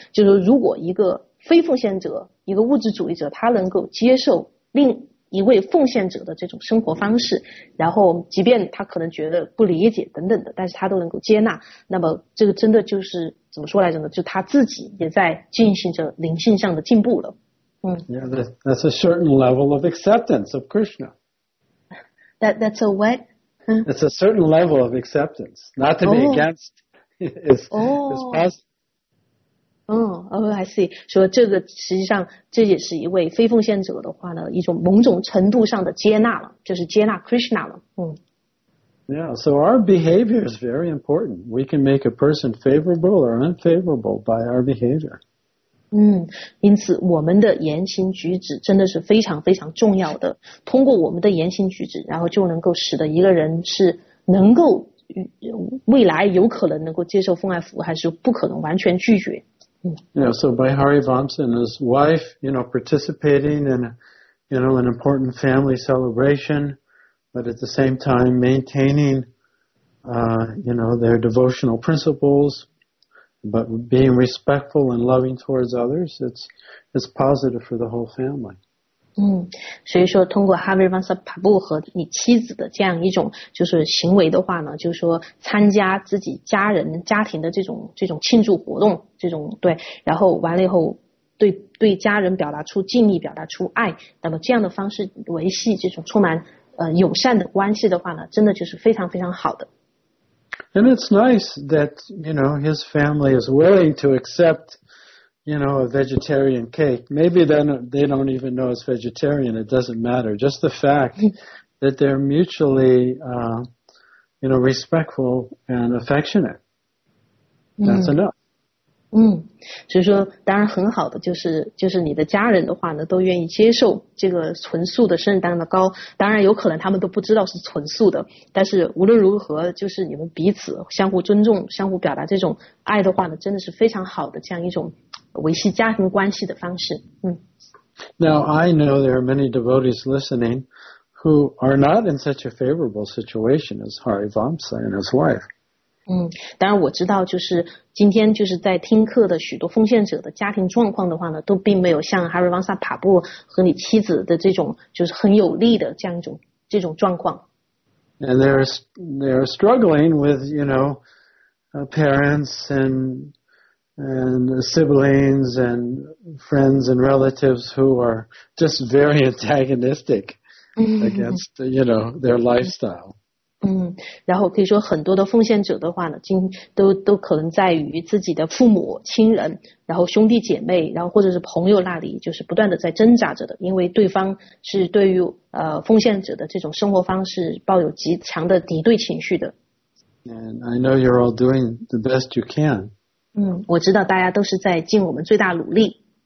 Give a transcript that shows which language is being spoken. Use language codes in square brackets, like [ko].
[zh] 就是如果一个非奉献者，一个物质主义者，他能够接受另一位奉献者的这种生活方式，然后即便他可能觉得不理解等等的，但是他都能够接纳，那么这个真的就是怎么说来着呢？就他自己也在进行着灵性上的进步了。 [en] That's a certain level of acceptance of Krishna. That's a what? It's a certain level of acceptance. Not to be against I see. [zh] 说这个实际上这也是一位非奉献者的话呢，一种某种程度上的接纳了，就是接纳 Krishna 了。 [en] Yeah, so our behavior is very important. We can make a person favorable or unfavorable by our behavior. [zh] 因此我们的言行举止真的是非常非常重要的，通过我们的言行举止，然后就能够使得一个人是能够未来有可能能够接受奉爱服务，还是不可能完全拒绝。 [en] So by Hari Vamsa and his wife, participating in an important family celebration, but at the same time maintaining you know, their devotional principles, but being respectful and loving towards others, it's positive for the whole family. [zh] 所以说通过 Harvey Vansa Prabhu 和你妻子的这样一种就是行为的话呢，就是说参加自己家人家庭的这种庆祝活动，这种对，然后完了以后对家人表达出敬意，表达出爱，那么这样的方式维系这种充满友善的关系的话呢，真的就是非常非常好的。 [en] And it's nice that, you know, his family is willing to accept, you know, a vegetarian cake. Maybe then they don't even know it's vegetarian. It doesn't matter. Just the fact that they're mutually, you know, respectful and affectionate. That's enough. [zh] 所以说当然很好的就是你的家人的话呢都愿意接受这个纯素的圣诞糕，当然有可能他们都不知道是纯素的，但是无论如何就是你们彼此相互尊重相互表达这种爱的话呢，真的是非常好的这样一种维系家庭关系的方式。 [en] Now I know there are many devotees listening who are not in such a favorable situation as Hari Vamsa and his wife. [zh] 当然我知道就是今天就是在听课的许多奉献者的家庭状况的话呢，都并没有像 Hari Vamsa Prabhu 和你妻子的这种就是很有力的这种状况。 [en] And they're struggling with, you know, parents and siblings and friends and relatives who are just very antagonistic against, you know, their lifestyle. [zh] 然后可以说很多的奉献者的话呢，都可能在于自己的父母亲人，然后兄弟姐妹，然后或者是朋友那里，就是不断的在挣扎着的，因为对方是对于奉献者的这种生活方式抱有极强的敌对情绪的。 [en] And I know you're all doing the best you can. [zh] 我知道大家都是在尽我们最大努力。